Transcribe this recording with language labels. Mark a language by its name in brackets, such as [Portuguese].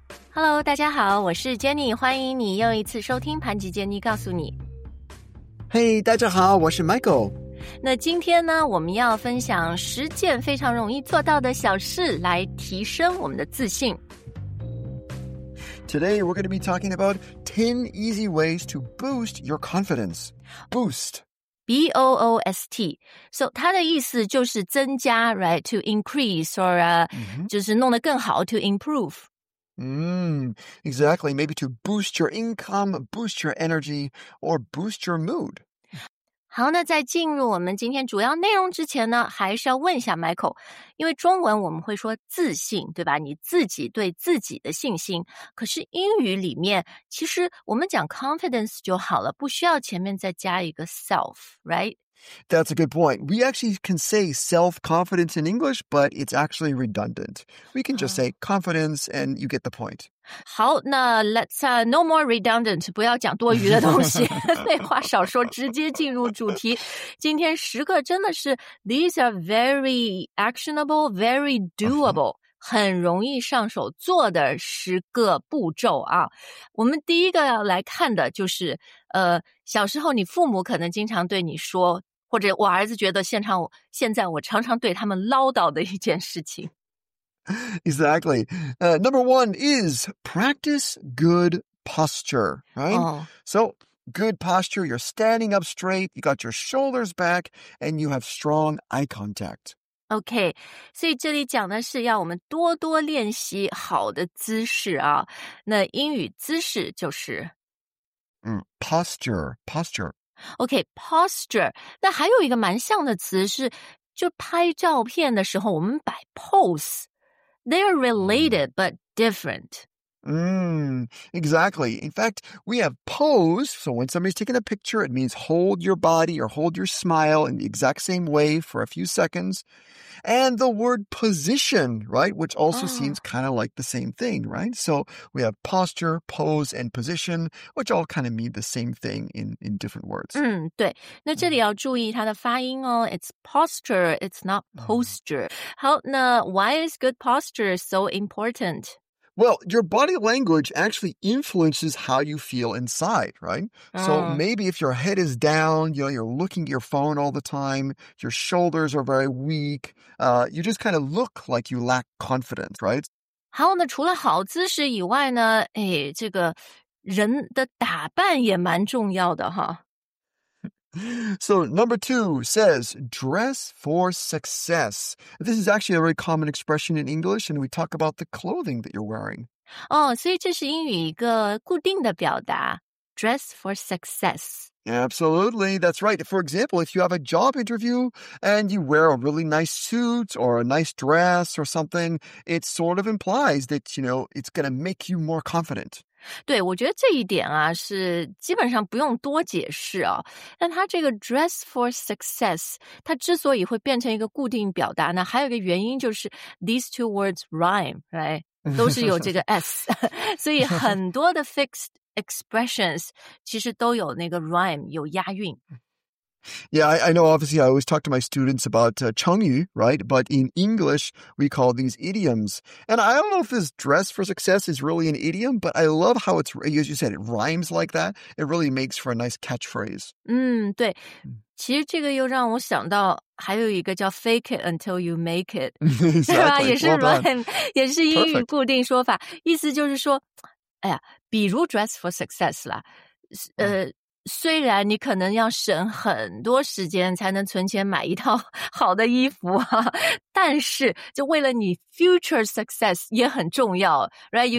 [Chinese] Hello， 大家好，我是 Jenny， 欢迎你又一次收听盘吉 Jenny 告诉你。 Hey， 大家好，我是 Michael。那今天呢，我们要分享十件非常容易做到的小事来提升我们的自信。 [English] Today we're going to be talking about 10 easy ways to boost your confidence. Boost. B-O-O-S-T. [Chinese] So 它的意思就是增加 ，right? [English] To increase or、 [Chinese] 就是弄得更好 ， [English] to improve. Exactly. Maybe to boost your income, boost your energy, or boost your mood. [Chinese] 好，那在进入我们今天主要内容之前呢，还是要问一下 Michael， 因为中文我们会说自信，对吧？你自己对自己的信心。可是英语里面，其实我们讲 confidence 就好了，不需要前面再加一个 self, right? [English] That's a good point. We actually can say self-confidence in English, but it's actually redundant. We can just say confidence and you get the point. [Chinese] 好，那 [English] let's no more redundant, [Chinese] 不要讲多余的东西。废话少说，直接进入主题。今天十个真的是 [English] these are very actionable, very doable. [Chinese] 很容易上手做的十个步骤啊，我们第一个要来看的就是，小时候你父母可能经常对你说，或者我儿子觉得现在我常常对他们唠叨的一件事情。 [English] Exactly. Number one is practice good posture, right? So good posture, you're standing up straight, you got your shoulders back, and you have strong eye contact. [Chinese] OK, 所以这里讲的是要我们多多练习好的姿势啊。那英语姿势就是 [English] posture. OK, posture. [Chinese] 那还有一个蛮像的词是就拍照片的时候我们摆 pose. [English] They are related, but different. Exactly. In fact, we have pose. So when somebody's taking a picture, it means hold your body or hold your smile in the exact same way for a few seconds. And the word position, right? Which also seems kind of like the same thing, right? So we have posture, pose, and position, which all kind of mean the same thing in different words. [Chinese] 对。那这里要注意它的发音哦。 [English] It's posture, it's not posture. [Chinese] 好，那 [English] why is good posture so important? Well, your body language actually influences how you feel inside, right? So maybe if your head is down, you know, you're looking at your phone all the time, your shoulders are very weak, you just kind of look like you lack confidence, right? [Chinese] 好，那除了好姿势以外呢，这个人的打扮也蛮重要的哈。 [English] So number two says, dress for success. This is actually a very common expression in English, and we talk about the clothing that you're wearing. [Chinese] Oh, 所以这是英语一个固定的表达 [English] dress for success. Absolutely, that's right. For example, if you have a job interview and you wear a really nice suit or a nice dress or something, it sort of implies that, you know, it's going to make you more confident. [Chinese] 对，我觉得这一点啊是基本上不用多解释啊。但它这个 dress for success， 它之所以会变成一个固定表达呢，还有一个原因就是 [English] these two words rhyme， [Chinese] right？都是有这个 s， 所以很多的 [English] fixed expressions [Chinese] 其实都有那个 rhyme， 有押韵。 [English] Yeah, I know, obviously, I always talk to my students about 成语, right? But in English, we call these idioms. And I don't know if this dress for success is really an idiom, but I love how it's, as you said, it rhymes like that. It really makes for a nice catchphrase. [Chinese] 对。其实这个又让我想到还有一个叫 [English] fake it until you make it. Exactly. [Chinese] 对吧？也是 rhyme, [English] well done. [Chinese] 也是英语固定说法。Perfect. 意思就是说，哎呀，比如 dress for success 啦，虽然你可能要省很多时间才能存钱买一套好的衣服啊，但是就为了你 [English] future success [Chinese] 也很重要 ，right?